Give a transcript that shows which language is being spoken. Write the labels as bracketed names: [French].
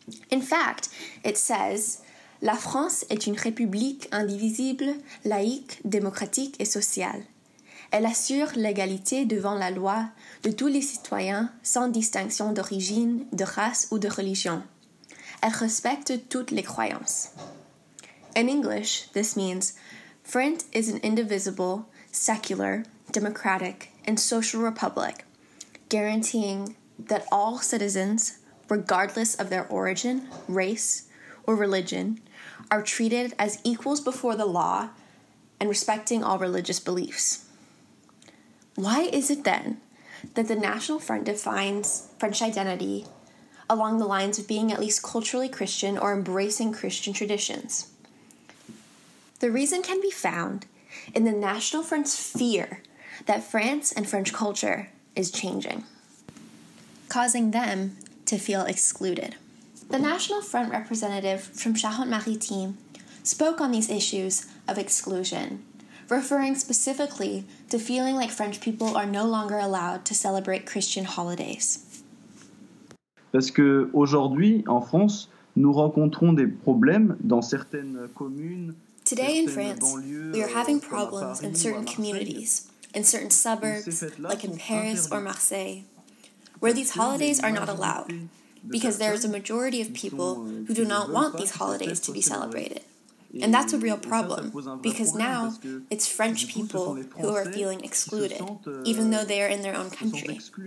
[English] In fact, it says, [French] La France est une république indivisible, laïque, démocratique et sociale. Elle assure l'égalité devant la loi de tous les citoyens sans distinction d'origine, de race ou de religion. Elle respecte toutes les croyances. [English] In English, this means, France is an indivisible, secular, democratic, and social republic, guaranteeing that all citizens, regardless of their origin, race, or religion, are treated as equals before the law and respecting all religious beliefs. Why is it then that the National Front defines French identity along the lines of being at least culturally Christian or embracing Christian traditions? The reason can be found in the National Front's fear that France and French culture is changing, causing them to feel excluded. The National Front representative from Charente-Maritime spoke on these issues of exclusion, referring specifically to feeling like French people are no longer allowed to celebrate Christian holidays. [French] Parce que aujourd'hui, en France, nous rencontrons des problèmes dans certaines communes. [English] Today in France, we are having problems in certain communities, in certain suburbs, like in Paris or Marseille, where these holidays are not allowed, because there is a majority of people who do not want these holidays to be celebrated. And that's a real problem, because now it's French people who are feeling excluded, even though they are in their own country.